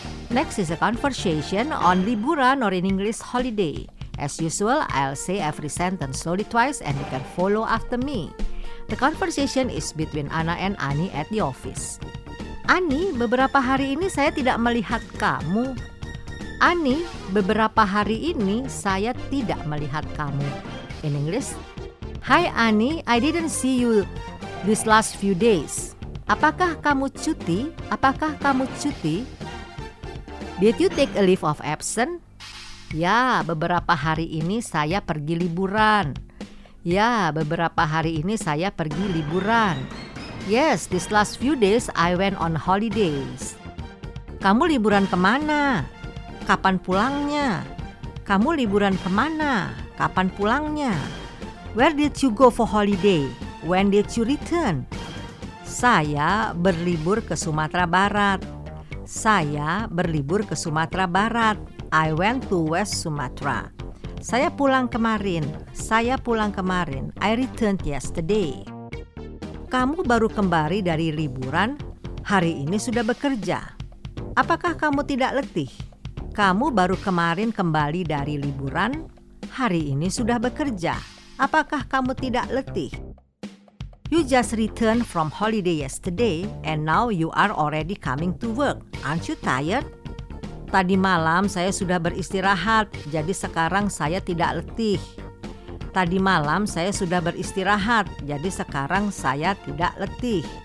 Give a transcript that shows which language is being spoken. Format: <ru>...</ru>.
<en>Next is a conversation on liburan or in English holiday. As usual, I'll say every sentence slowly twice and you can follow after me. The conversation is between Anna and Annie at the office.</en> <id>Annie, beberapa hari ini saya tidak melihat kamu. Annie, beberapa hari ini saya tidak melihat kamu.</id> <en>In English, Hi Annie, I didn't see you these last few days.</en> <id>Apakah kamu cuti? Apakah kamu cuti?</id> <en>Did you take a leave of absence?</en> <id>Ya, beberapa hari ini saya pergi liburan. Ya, beberapa hari ini saya pergi liburan.</id> <en>Yes, these last few days I went on holidays.</en> <id>Kamu liburan kemana? Kapan pulangnya? Kamu liburan kemana? Kapan pulangnya?</id> <en>Where did you go for holiday? When did you return?</en> <id>Saya berlibur ke Sumatera Barat. Saya berlibur ke Sumatera Barat.</id> <en>I went to West Sumatra.</en> <id>Saya pulang kemarin. Saya pulang kemarin.</id> <en>I returned yesterday.</en> <id>Kamu baru kembali dari liburan? Hari ini sudah bekerja. Apakah kamu tidak letih? Kamu baru kemarin kembali dari liburan? Hari ini sudah bekerja. Apakah kamu tidak letih?</id> <en>You just returned from holiday yesterday and now you are already coming to work. Aren't you tired?</en> <id>Tadi malam saya sudah beristirahat, jadi sekarang saya tidak letih. Tadi malam saya sudah beristirahat, jadi sekarang saya tidak letih.</id>